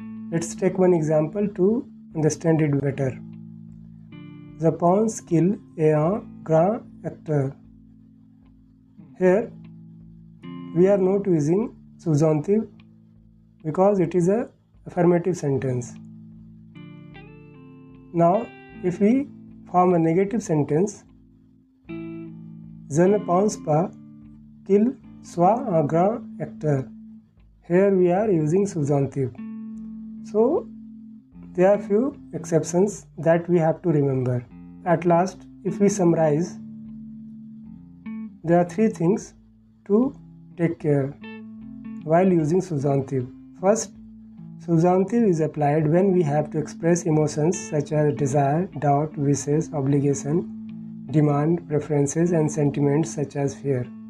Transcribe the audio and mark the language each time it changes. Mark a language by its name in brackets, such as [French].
[English] Let's take one example to understand it better. [French] Je pense qu'il est un grand acteur. [English] Here, we are not using subjunctive because it is an affirmative sentence. Now, if we form a negative sentence, [French] je ne pense pas qu'il soit un grand acteur. [English] Here, we are using subjunctive. So, there are few exceptions that we have to remember. At last, if we summarize, there are three things to take care while using subjunctive. First, subjunctive is applied when we have to express emotions such as desire, doubt, wishes, obligation, demand, preferences, and sentiments such as fear.